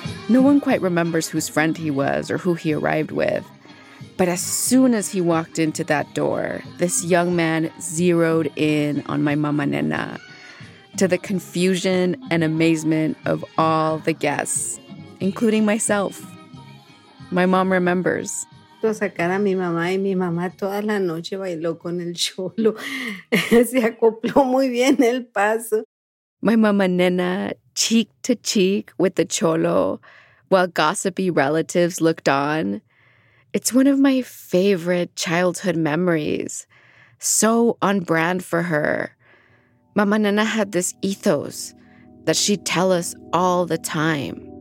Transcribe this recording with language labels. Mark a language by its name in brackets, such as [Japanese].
[English] No one quite remembers whose friend he was or who he arrived with. But as soon as he walked into that door, this young man zeroed in on my mama nena, to the confusion and amazement of all the guests, including myself. My mom remembers. [Spanish] A sacar a mi mamá y mi mamá toda la noche bailó con el cholo. Se acopló muy bien el paso. [English] My mama nena, cheek to cheek with the cholo, while gossipy relatives looked on. It's one of my favorite childhood memories. So on brand for her. Mama nena had this ethos that she'd tell us all the time.